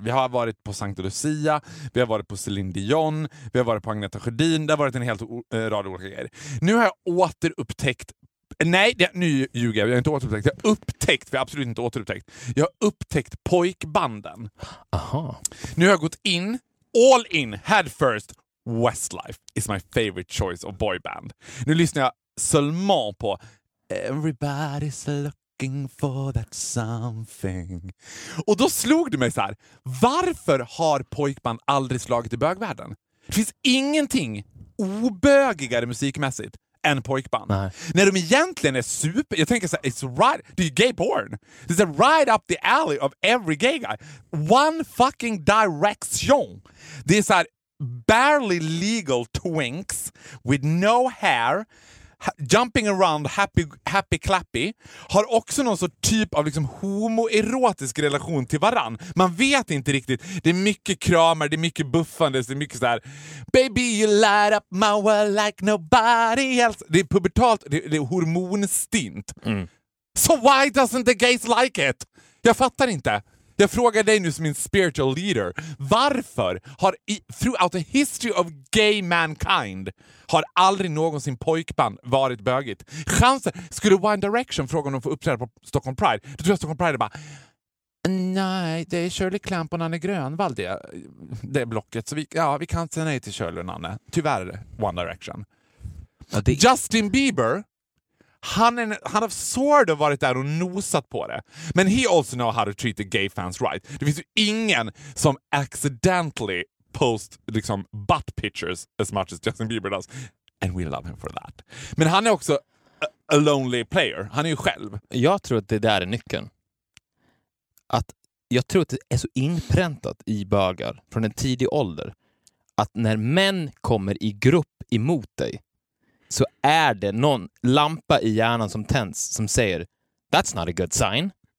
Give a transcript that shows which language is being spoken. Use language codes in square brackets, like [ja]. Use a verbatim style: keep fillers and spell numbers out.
[sv] Vi har varit på Sankta Lucia, vi har varit på Céline Dion, vi har varit på Agneta Sjödin, det har varit en hel o- rad olika grejer. Nu har jag återupptäckt Nej, det, nu ljuger jag. Jag har inte återupptäckt. Jag har upptäckt, för jag har absolut inte återupptäckt. Jag har upptäckt pojkbanden. Aha. Nu har jag gått in, [en] all in, head first. Westlife is my favorite choice of boyband. [sv] Nu lyssnar jag seulement på [en] Everybody's looking for that something. [sv] Och då slog det mig så här. Varför har pojkband aldrig slagit i bögvärlden? Det finns ingenting obögigare musikmässigt än pojkband. Nej. När de egentligen är super... Jag tänker så här, [en] it's right... [sv] Det är ju gay porn. [en] It's right up the alley of every gay guy. One fucking direction. [sv] Det är så här, [en] barely legal twinks with no hair... Jumping around, happy, happy clappy. [sv] Har också någon sorts typ av liksom homoerotisk relation till varann. Man vet inte riktigt. Det är mycket kramar, det är mycket buffandes. Det är mycket så här: [en] baby you light up my world like nobody else. [sv] Det är pubertalt, det är, det är hormonstint. Mm. [en] So why doesn't the gays like it? [sv] Jag fattar inte. Jag frågar dig nu som min [en] spiritual leader. [sv] Varför har i, [en] throughout the history of gay mankind [sv] har aldrig någonsin pojkband varit bögigt? Chansen, skulle One Direction fråga om de får uppträda på Stockholm Pride? Då tror jag Stockholm Pride är bara nej, det är Shirley Clamp och Nanne Grönvall det, det är blocket. Så vi, ja, vi kan säga nej till Shirley och Nanne. Tyvärr, One Direction. Ja, det... Justin Bieber, Han, är, han har [en] sort of [sv] varit där och nosat på det. [en] Men he also know how to treat the gay fans right. [sv] Det finns ju ingen som [en] accidentally post liksom butt pictures as much as Justin Bieber does. And we love him for that. [sv] Men han är också a, [en] a lonely player. [sv] Han är ju själv. Jag tror att det där är nyckeln. Att jag tror att det är så inpräntat i bögar från en tidig ålder att när män kommer i grupp emot dig så är det någon lampa i hjärnan som tänds som säger [en] that's not a good sign.